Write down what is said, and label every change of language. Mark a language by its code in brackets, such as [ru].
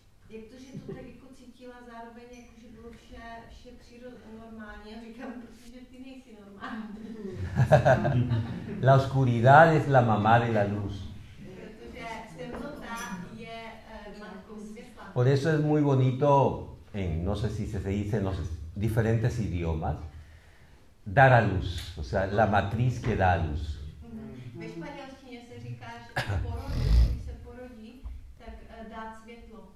[cs] Jak to, že to tak jako cítila zároveň, jako že bylo vše přírodně normálně. Říkám, protože ty nejsi normální. [es] La oscuridad es la mamá de la luz. [cs] Protože temnota je matkou světla. [es] Por eso es muy bonito, en, no sé si se dice, no sé, diferentes idiomas, dar a luz, o sea, la matriz que da a luz. [cs] Ve španělštině se říká, že porodí, když se porodí, tak dát světlo.